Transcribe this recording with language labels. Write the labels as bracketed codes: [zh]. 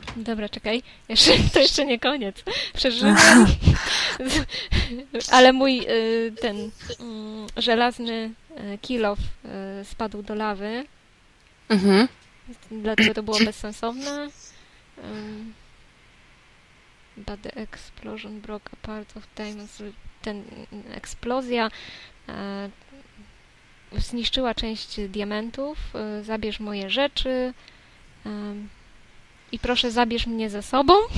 [pl] Dobra, czekaj. To jeszcze nie koniec. Przeżyłem. Ale mój ten żelazny kill off spadł do lawy. Dlaczego to było bezsensowne? [en] But the explosion broke a part of diamonds. [pl] Ten eksplozja zniszczyła część diamentów. Zabierz moje rzeczy. I proszę, zabierz mnie ze sobą.